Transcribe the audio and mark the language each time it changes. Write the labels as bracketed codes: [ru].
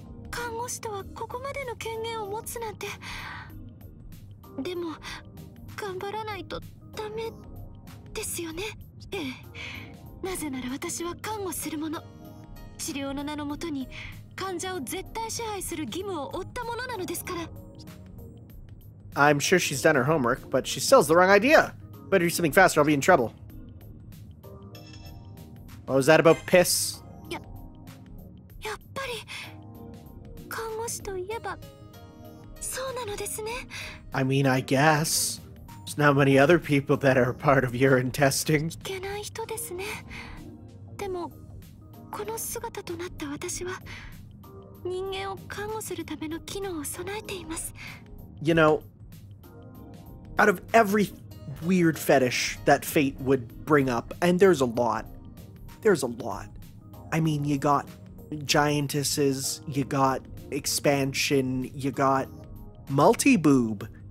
[ja] 看護師とはここまでの権限を持つなんて。でも、頑張らないとダメですよね。ええ。なぜなら私は看護するもの。治療の名のもとに患者を絶対支配する義務を負ったものなのですから。 [en] I'm sure she's done her homework, but she still has the wrong idea. Better do something faster, I'll be in trouble. What was that about piss? [ja] やっぱり、看護師といえば、そうなのですね。 [en] I mean, I guess. There's not many other people that are part of urine testing. [ja] いけない人ですね。でも、この姿となった私は、人間を看護するための機能を備えています。 [en] You know, out of every weird fetish that fate would bring up, and there's a lot, there's a lot. I mean, you got giantesses, you got expansion, you got multi-boob.